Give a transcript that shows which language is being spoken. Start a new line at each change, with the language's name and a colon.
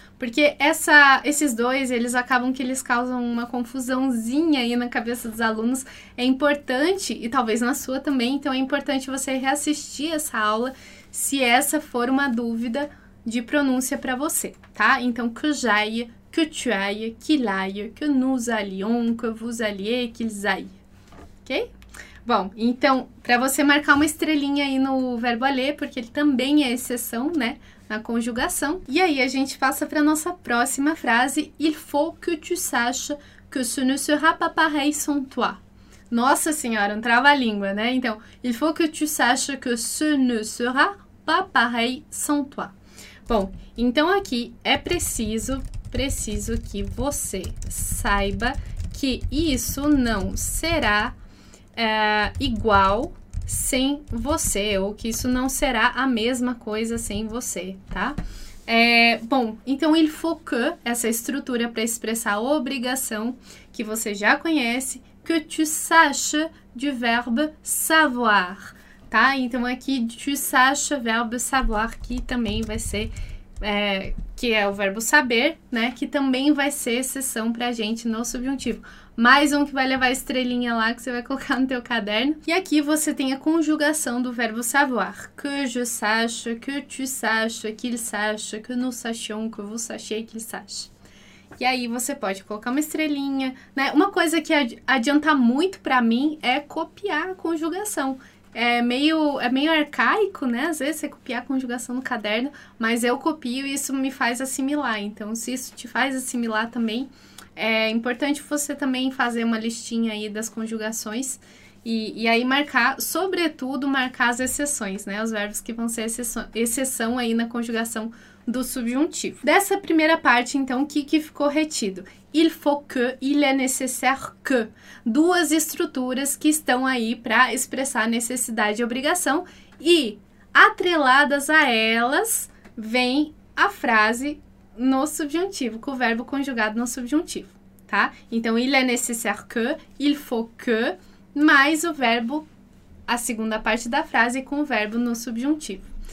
Portuguese: Porque esses dois, eles acabam que eles causam uma confusãozinha aí na cabeça dos alunos. É importante, e talvez na sua também, então é importante você reassistir essa aula se essa for uma dúvida de pronúncia para você, tá? Então,
French: que j'aille, que tu aille, qu'il aille, que nous allions, que vous alliez, qu'ils aillent. Ok?
Portuguese: Bom, então, para você marcar uma estrelinha aí no verbo aller, porque ele também é exceção, né, na conjugação. E aí, a gente passa para a nossa próxima frase.
French: Il faut que tu saches que ce ne sera pas pareil sans toi.
Portuguese: Nossa senhora, um trava-língua, né? Então,
French: il faut que tu saches que ce ne sera pas pareil sans toi.
Portuguese: Bom, então aqui é preciso que você saiba que isso não será igual sem você, ou que isso não será a mesma coisa sem você, tá? Bom, então
French: il faut que,
Portuguese: essa estrutura para expressar a obrigação que você já conhece,
French: que tu saches du verbe savoir,
Portuguese: tá? Então aqui
French: tu saches, verbe savoir,
Portuguese: que também vai ser, que é o verbo saber, né? Que também vai ser exceção para a gente no subjuntivo. Mais um que vai levar a estrelinha lá que você vai colocar no teu caderno. E aqui você tem a conjugação do verbo savoir.
French: Que je sache, que tu saches, qu'il sache, que nous sachions, que vous sachiez qu'il sache.
Portuguese: E aí você pode colocar uma estrelinha, né? Uma coisa que adianta muito para mim é copiar a conjugação. É meio arcaico, né? Às vezes você copiar a conjugação no caderno, mas eu copio e isso me faz assimilar. Então, se isso te faz assimilar também, é importante você também fazer uma listinha aí das conjugações e aí marcar, sobretudo marcar as exceções, né? Os verbos que vão ser exceção aí na conjugação do subjuntivo. Dessa primeira parte, então, o que ficou retido?
French: Il faut que, il est nécessaire que.
Portuguese: Duas estruturas que estão aí para expressar necessidade e obrigação e atreladas a elas vem a frase no subjuntivo, com o verbo conjugado no subjuntivo, tá? Então,
French: il est nécessaire que, il faut que,
Portuguese: mais o verbo, a segunda parte da frase com o verbo no subjuntivo.